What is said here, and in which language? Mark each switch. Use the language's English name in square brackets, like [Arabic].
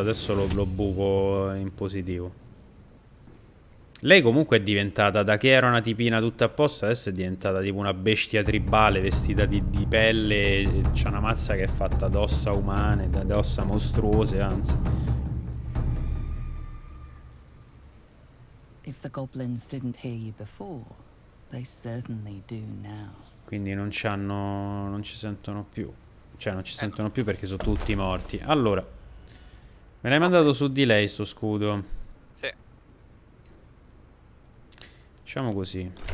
[Italian] Adesso lo buco in positivo. Lei comunque è diventata, da che era una tipina tutta apposta, adesso è diventata tipo una bestia tribale vestita di pelle. C'ha una mazza che è fatta d'ossa umane, d'ossa mostruose, anzi. [English] If the goblins didn't hear you before, they certainly do now. [Italian] Quindi non ci sentono più. Cioè non ci sentono più perché sono tutti morti. Allora, me l'hai mandato su di lei sto scudo. Facciamo così.